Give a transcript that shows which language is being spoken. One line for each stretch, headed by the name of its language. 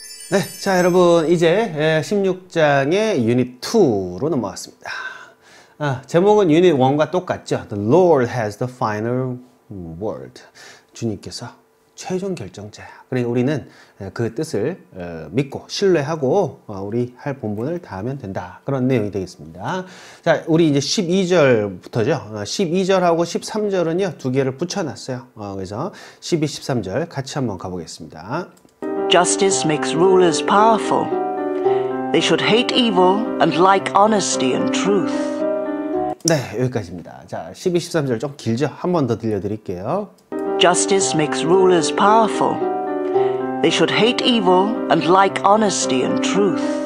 Korean: 네, 자, 여러분, 이제 16장의 유닛 2로 넘어왔습니다. 아, 제목은 유닛 1과 똑같죠?
English: The Lord has the final word.
Korean: 주님께서 최종 결정자야. 그래, 우리는 그 뜻을 믿고 신뢰하고 우리 할 본분을 다하면 된다. 그런 내용이 되겠습니다. 자, 우리 이제 12절부터죠. 12절하고 13절은요, 두 개를 붙여놨어요. 그래서 12, 13절 같이 한번 가보겠습니다.
English: Justice makes rulers powerful. They should hate evil and like honesty and truth.
Korean: 네, 여기까지입니다. 자, 12, 13절 좀 길죠? 한번더 들려드릴게요.
English: Justice makes rulers powerful. They should hate evil and like honesty and truth.